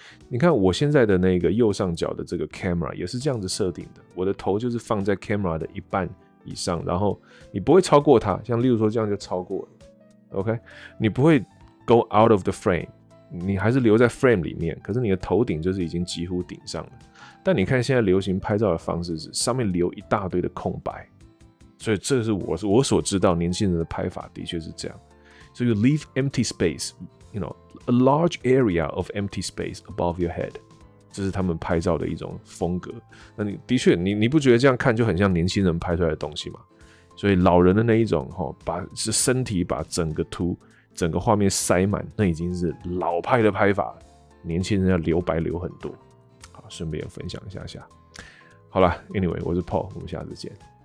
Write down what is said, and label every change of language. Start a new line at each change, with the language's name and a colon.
Chinese: 你看我现在的那个右上角的这个 camera 也是这样子设定的，我的头就是放在 camera 的一半以上，然后你不会超过它，像例如说这样就超过了 ，OK？你不会
English: go out of the frame，
Chinese: 你还是留在 frame 里面，可是你的头顶就是已经几乎顶上了。但你看现在流行拍照的方式是上面留一大堆的空白。所以这是我所知道年轻人的拍法的确是这样。
English: So you leave empty space, you know, a large area of empty space above your head.
Chinese: 这是他们拍照的一种风格。那你的确你不觉得这样看就很像年轻人拍出来的东西吗？所以老人的那一种齁，把是身体把整个图整个画面塞满，那已经是老派的拍法，年轻人要留白留很多。好，顺便分享一下。好啦 ,Anyway, 我是 Paul, 我们下次见。